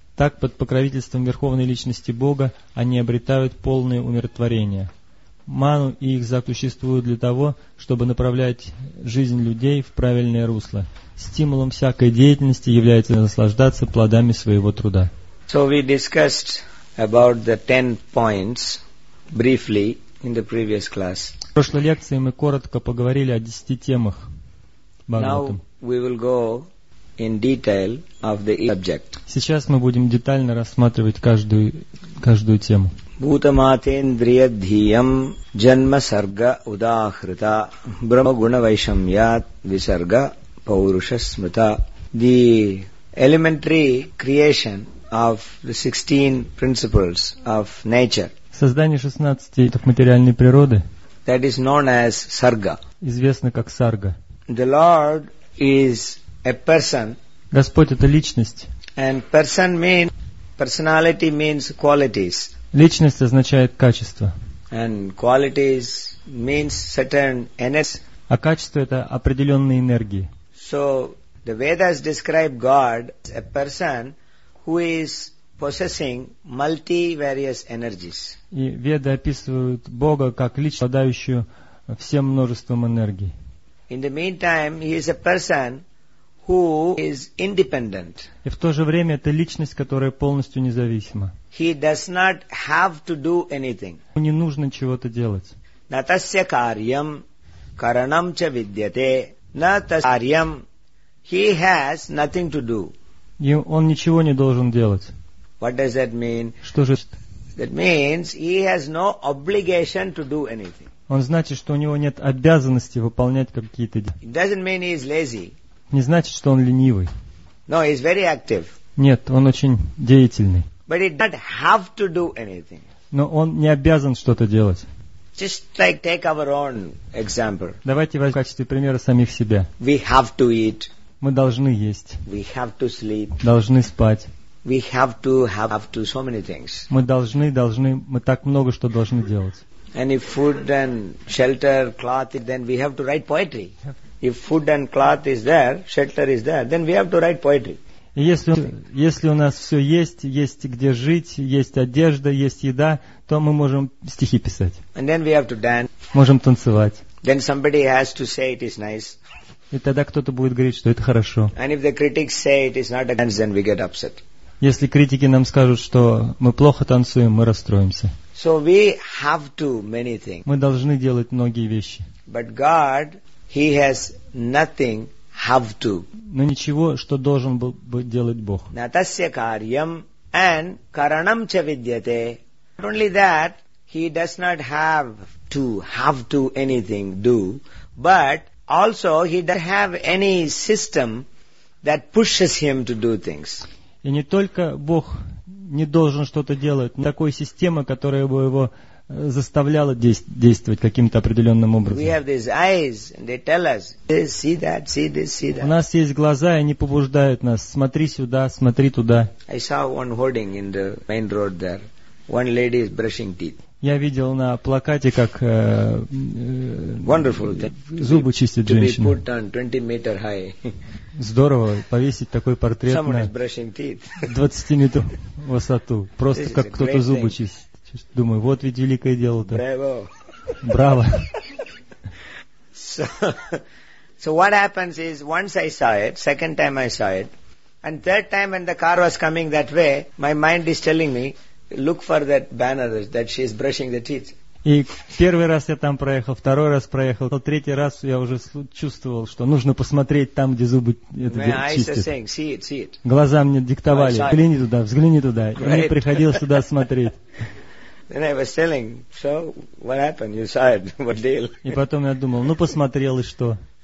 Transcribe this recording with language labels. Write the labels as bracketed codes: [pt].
[ru] Так, под покровительством Верховной Личности Бога, они обретают полное умиротворение. Ману и их зак существуют для того, чтобы направлять жизнь людей в правильное русло. Стимулом всякой деятельности является наслаждаться плодами своего труда. [en] So we discussed about the 10 points briefly in the previous class. [ru] В прошлой лекции мы коротко поговорили о 10 темах. [en] Now we will go in detail of the subject. [ru] Сейчас мы будем детально рассматривать каждую тему. [sa] Бхутаматендрия дхиям джанма сарга удахрита брахма гуна вайшамьят висарга пауруша смрита. [en] The elementary creation of the 16 principles of nature. [ru] Создание 16 видов материальной природы. [en] That is known as sarga. [ru] Известно как сарга. [en] The Lord is a person. [ru] Господь это личность. [en] And person means personality means qualities. [ru] Личность означает качество. [en] And qualities means certain energy. [ru] А качество это определенные энергии. [en] So the Vedas describe God as a person who is possessing multi various energies. [ru] И Веды описывают Бога как личность, обладающую всем множеством энергий. [en] In the meantime, he is a person who is independent. [ru] И в то же время это личность, которая полностью независима. [en] He does not have to do anything. [ru] Ему не нужно чего-то делать. [sa] На тасья карьям каранам ча видьяте. На тасья карьям [en] he has nothing to do. [ru] И он ничего не должен делать. [en] What does that mean? [ru] Что же? [en] That means he has no obligation to do anything. [ru] Он значит, что у него нет обязанности выполнять какие-то дела. Не значит, что он ленивый. [en] No, he's very active. [ru] Нет, он очень деятельный. [en] But he doesn't have to do anything. [ru] Но он не обязан что-то делать. [en] Just like take our own example. [ru] Давайте возьмем в качестве примера самих себя. [en] We have to eat. [ru] Мы должны есть. [en] We have to sleep. [ru] Должны спать. [en] We have to so many things. [ru] Мы так много что должны делать. [en] And if food and shelter, cloth, then we have to write poetry. If food and cloth is there, shelter is there, then we have to write poetry. [ru] Если у нас все есть, есть где жить, есть одежда, есть еда, то мы можем стихи писать. [en] And then we have to dance. [ru] Можем танцевать. [en] Then somebody has to say it is nice. [ru] И тогда кто-то будет говорить, что это хорошо. [en] And if the critics say it is not a dance, then we get upset. [ru] Если критики нам скажут, что мы плохо танцуем, мы расстроимся. [en] So we have to many things. [ru] Мы должны делать многие вещи. [en] But God, He has nothing have to. [ru] Но ничего, что должен был бы делать Бог. [sa] Натасья карьям and каранам ча видьяте. [en] Not only that, He does not have to anything do, but also He doesn't have any system that pushes Him to do things. [ru] И не только Бог не должен что-то делать, но такой системы, которая бы его заставляла действовать каким-то определенным образом. [en] We have these eyes, they tell us, see that, see this, see that. [ru] У нас есть глаза, и они побуждают нас. Смотри сюда, смотри туда. [en] I saw one hoarding in the main road there. One lady is brushing teeth. [ru] Я видел на плакате, как [en] wonderful thing. [ru] Зубы чистит женщина. [en] To be put on 20 meter high. [ru] Здорово повесить такой портрет [en] Someone [ru] на 20 метров высоту. Просто как кто-то зубы чистит. Думаю, вот ведь великое дело-то. Браво. Браво. [en] So what happens is, once I saw it, second time I saw it, and third time when the car was coming that way, my mind is telling me, look for that banner that she is brushing the teeth. [ru] И первый раз я там проехал, второй раз проехал, но третий раз я уже чувствовал, что нужно посмотреть там, где зубы это чистят. Глаза мне диктовали, взгляни туда, взгляни туда. И мне приходилось туда смотреть. И потом я думал, ну посмотрел и что.